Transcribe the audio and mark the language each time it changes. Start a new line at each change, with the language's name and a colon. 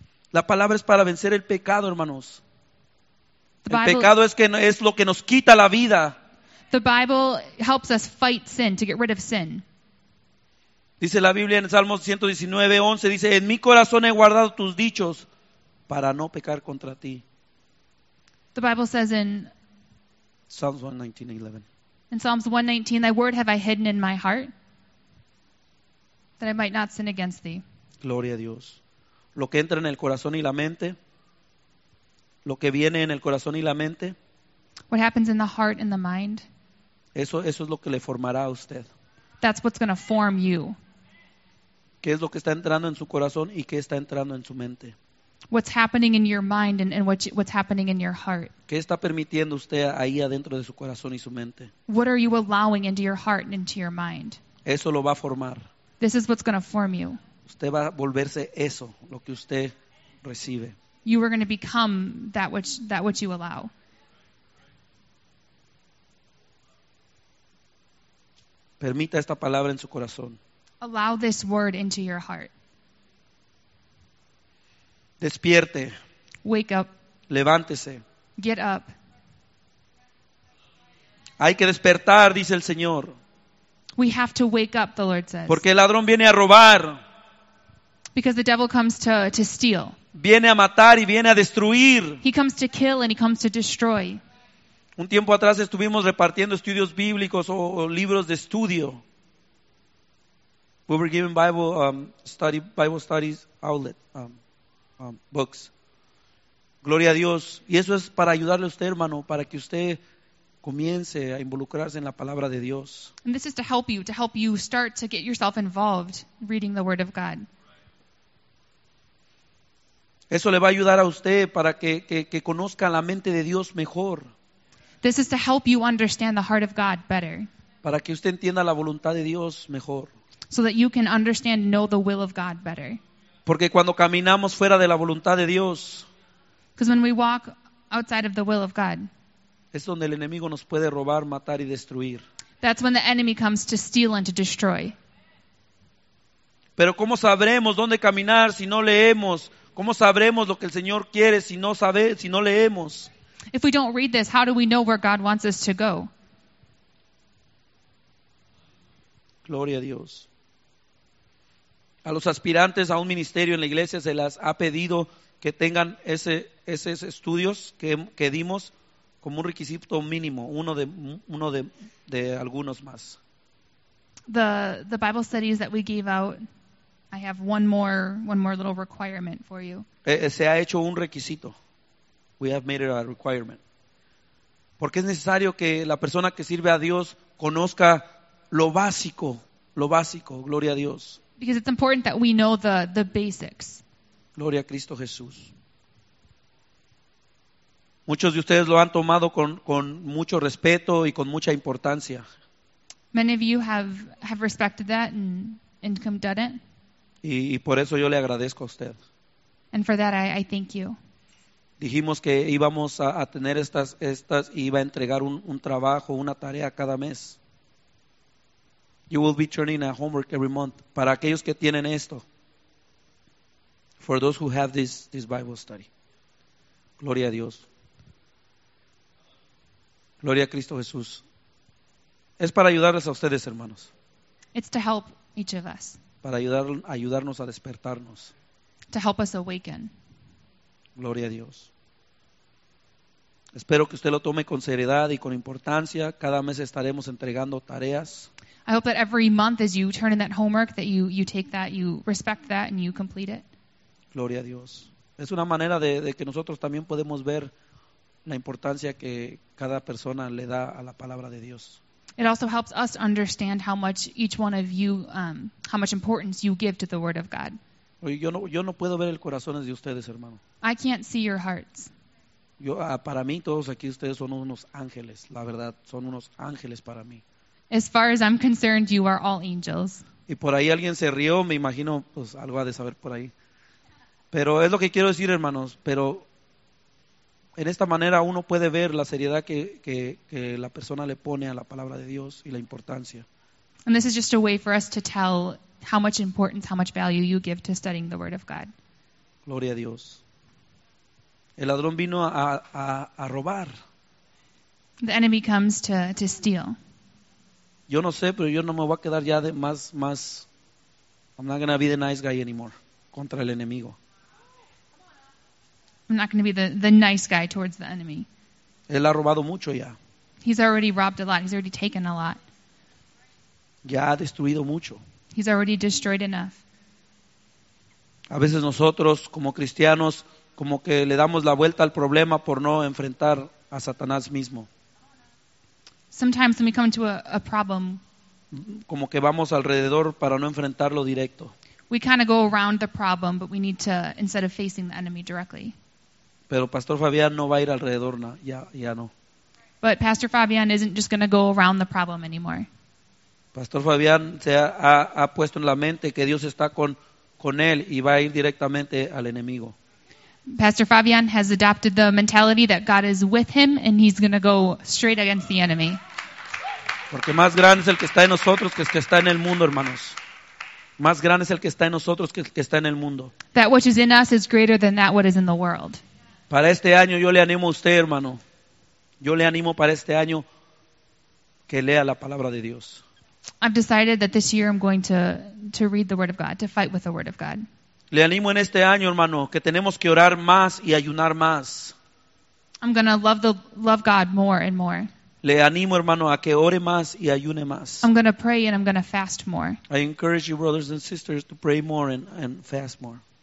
Spanish: La palabra es para vencer el pecado, hermanos. El pecado es lo que nos quita la vida.
English: The Bible helps us fight sin, to get rid of sin.
Spanish: Dice la Biblia en Salmos 119:11, dice, en mi corazón he guardado tus dichos para no pecar contra ti.
English: The Bible says in Psalms 119:11, thy word have I hidden in my heart that I might not sin against thee.
Spanish: Gloria a Dios. Lo que entra en el corazón y la mente, lo que viene en el corazón y la mente,
English: what happens in the heart and the mind,
Spanish: eso es lo que le formará a usted.
English: That's what's going to form you.
Spanish: ¿Qué es lo que está entrando en su corazón y qué está entrando en su mente?
English: What's happening in your mind and what's happening in your heart?
Spanish: ¿Qué está permitiendo usted ahí adentro de su corazón y su mente?
English: What are you allowing into your heart and into your mind?
Spanish: Eso lo va a formar.
English: This is what's going to form you.
Spanish: Usted va a volverse eso, lo que usted recibe.
English: You are going to become that which you allow.
Spanish: Permita esta palabra en su corazón.
English: Allow this word into your heart.
Spanish: Despierte.
English: Wake up.
Spanish: Levántese.
English: Get up.
Spanish: Hay que despertar, dice el Señor.
English: We have to wake up, the Lord says.
Spanish: Porque el ladrón viene a robar.
English: Because the devil comes to steal.
Spanish: Viene a matar y viene a destruir.
English: He comes to kill and he comes to destroy.
Spanish: Un tiempo atrás estuvimos repartiendo estudios bíblicos o libros de estudio.
English: We were given Bible studies outlet books.
Spanish: Gloria a Dios. Y eso es para ayudarle a usted, hermano, para que usted comience a involucrarse en la palabra de Dios.
English: And this is to help you start to get yourself involved reading the word of God.
Spanish: Eso le va a ayudar a usted para que conozca la mente de Dios mejor.
English: This is to help you understand the heart of God better.
Spanish: Para que usted entienda la voluntad de Dios mejor.
English: So that you can understand and know the will of God better.
Spanish: Porque cuando caminamos fuera de la voluntad de Dios,
English: because when we walk outside of the will of God,
Spanish: es donde el enemigo nos puede robar, matar y destruir.
English: That's when the enemy comes to steal and to destroy.
Spanish: Pero ¿cómo sabremos dónde caminar si no leemos? ¿Cómo sabremos lo que el Señor quiere si no leemos?
English: If we don't read this, how do we know where God wants us to go?
Spanish: Gloria a Dios. A los aspirantes a un ministerio en la iglesia se les ha pedido que tengan esos estudios que dimos como un requisito mínimo, uno de algunos más.
English: The Bible studies that we gave out I have one more little requirement for you.
Spanish: Se ha hecho un requisito.
English: We have made it a requirement.
Spanish: Porque es necesario que la persona que sirve a Dios conozca lo básico, gloria a Dios.
English: Because it's important that we know the basics.
Spanish: Gloria a Cristo Jesús. Muchos de ustedes lo han tomado con mucho respeto y con mucha importancia.
English: Many of you have respected that and come done it.
Spanish: Y por eso yo le agradezco a usted.
English: And for that I thank you.
Spanish: Dijimos que íbamos a tener estas y iba a entregar un trabajo, una tarea cada mes.
English: You will be turning a homework every month.
Spanish: Para aquellos que tienen esto.
English: For those who have this Bible study.
Spanish: Gloria a Dios. Gloria a Cristo Jesús. Es para ayudarles a ustedes, hermanos.
English: It's to help each of us.
Spanish: Para ayudarnos a despertarnos.
English: To help us awaken.
Spanish: Gloria a Dios. Espero que usted lo tome con seriedad y con importancia. Cada mes estaremos entregando tareas.
English: I hope that every month as you turn in that homework, that you take that, you respect that, and you complete it.
Spanish: Gloria a Dios. Es una manera de que nosotros también podemos ver la importancia que cada persona le da a la palabra de Dios.
English: It also helps us understand how much each one of you, how much importance you give to the Word of God.
Spanish: Yo no puedo ver el corazón de ustedes, hermano.
English: I can't see your hearts.
Spanish: Para mí, todos aquí ustedes son unos ángeles. La verdad, son unos ángeles para mí.
English: As far as I'm concerned, you are all angels.
Spanish: Y por ahí alguien se rió, me imagino, pues algo ha de saber por ahí. Pero es lo que quiero decir, hermanos, pero en esta manera uno puede ver la seriedad que la persona le pone a la palabra de Dios y la importancia.
English: And this is just a way for us to tell how much importance, how much value you give to studying the Word of God.
Spanish: Gloria a Dios. El ladrón vino a robar.
English: The enemy comes to steal.
Spanish: Yo no sé, pero yo no me voy a quedar ya de más.
English: I'm not going to be the nice guy anymore.
Spanish: Contra el enemigo.
English: I'm not going to be the nice guy towards the enemy.
Spanish: Él ha robado mucho ya.
English: He's already robbed a lot. He's already taken a lot.
Spanish: Ya ha destruido mucho.
English: He's already destroyed enough.
Spanish: A veces nosotros, como cristianos, como que le damos la vuelta al problema por no enfrentar a Satanás mismo.
English: Sometimes when we come to a problem,
Spanish: como que vamos alrededor para no enfrentarlo directo.
English: We kind of go around the problem, but we need to, instead of facing the enemy directly.
Spanish: Pero Pastor Fabián no va a ir alrededor, ya no.
English: But Pastor Fabián isn't just going to go around the problem anymore.
Spanish: Pastor Fabián se ha puesto en la mente que Dios está con él y va a ir directamente al enemigo.
English: Pastor Fabian has adopted the mentality that God is with him and he's going to go straight against the enemy.
Spanish: Porque más grande es el que está en nosotros que el que está en el mundo, hermanos. Más grande es el que está en nosotros que el que está en el mundo.
English: That which is in us is greater than that what is in the world.
Spanish: Para este año yo le animo a usted, hermano. Yo le animo para este año que lea la palabra de Dios.
English: I've decided that this year I'm going to read the word of God, to fight with the word of God.
Spanish: Le animo en este año, hermano, que tenemos que orar más y ayunar más.
English: I'm going to love God more and more.
Spanish: Le animo, hermano, a que ore más y ayune más.
English: I'm going to pray and I'm going to fast more. I encourage you, brothers and sisters, to pray more and fast more.